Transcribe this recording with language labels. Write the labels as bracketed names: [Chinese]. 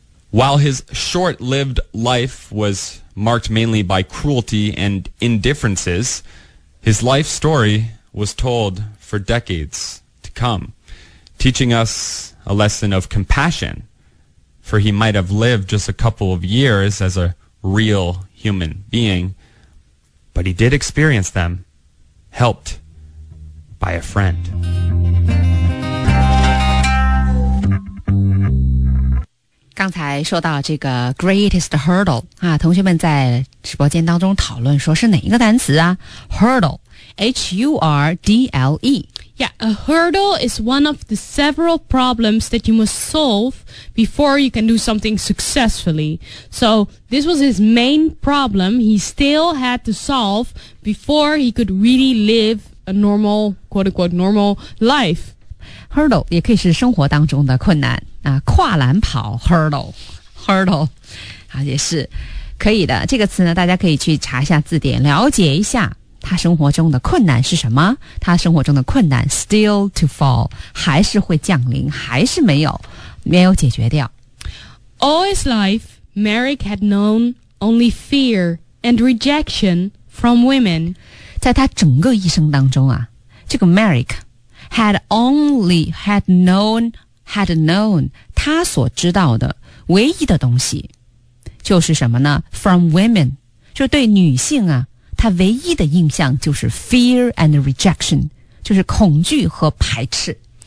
[English] While his short-lived life was marked mainly by cruelty and indifferences, his life story was told for decades to come, teaching us a lesson of compassion, for he might have lived just a couple of years as a real human being, but he did experience them, helped by a friend. Greatest hurdle [Chinese] 啊，同学们在直播间当中讨论说是哪一个单词啊 ？Hurdle, H-U-R-D-L-E. [English] Yeah, a hurdle is one of the several problems that you must solve before you can do something successfully. So this was his main problem he still had to solve before he could really live a normal, quote unquote, normal life. [Chinese] Hurdle 也可以是生活当中的困难。啊，跨栏跑 ，hurdle， 啊，也是可以的。这个词呢，大家可以去查一下字典，了解一下他生活中的困难是什么。他生活中的困难 [English] still to fall， [Chinese] 还是会降临，还是没有解决掉。 [English] All his life, Merrick had known only fear and rejection from women。 [Chinese] 在他整个一生当中啊，这个 [English] Merrick had known [Chinese] 他所知道的唯一的东西就是什么呢 [English] from women [Chinese] 就对女性啊他唯一的印象就是 [English] fear and rejection [Chinese] 就是恐惧和排斥